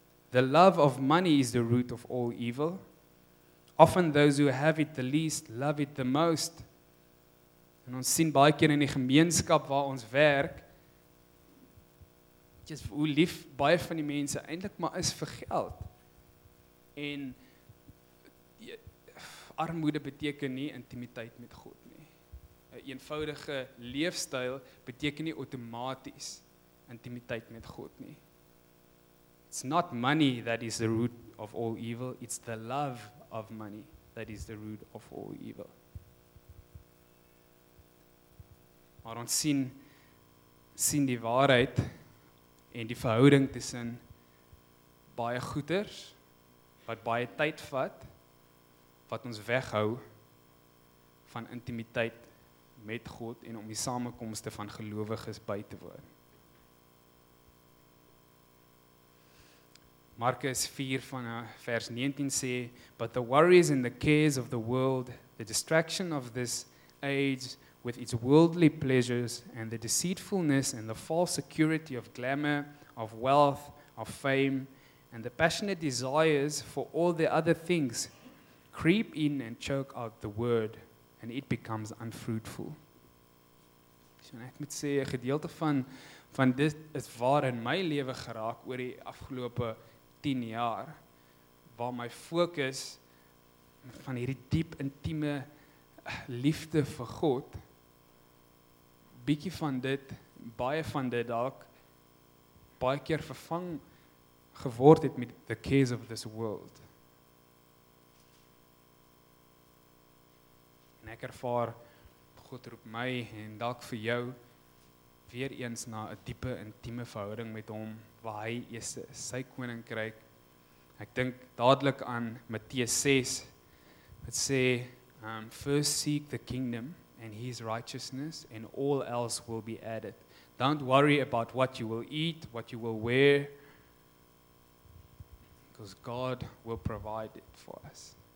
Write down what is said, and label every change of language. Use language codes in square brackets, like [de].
[en] The love of money is the root of all evil. Often those who have it the least, love it the most. [af] En ons sien baie keer in die gemeenskap waar ons werk, dis hoe lief baie van die mense eintlik maar is vir geld. En armoede beteken nie intimiteit met God nie. 'n Eenvoudige leefstyl beteken nie outomaties intimiteit met God nie. [en] It's not money that is the root of all evil, it's the love of money that is the root of all evil. [af] Maar ons sien die waarheid en die verhouding tussen baie goeders wat baie tyd vat, wat ons weghou van intimiteit met God en om die samekomste van gelowiges by te woon. Markus 4 van vers 19 sê, [en] but the worries and the cares of the world, the distraction of this age with its worldly pleasures and the deceitfulness and the false security of glamour, of wealth, of fame, and the passionate desires for all the other things creep in and choke out the word, and it becomes unfruitful. [af] So, ek moet sê, 'n gedeelte van dit is waar in my lewe geraak oor die afgelope 10 jaar, waar my fokus van hierdie diep, intieme liefde vir God, bietjie van dit, baie van dit dalk, baie keer vervang geword het met [en] the cares of this world. [af] En ek ervaar, God roep my en dalk vir jou weer eens na 'n diepe, intieme verhouding met hom, waar hy eers sy koninkryk. Ek dink dadelik aan Matteus 6, wat sê, [en] first seek the kingdom and his righteousness and all else will be added. Don't worry about what you will eat, what you will wear, because God will provide it for us.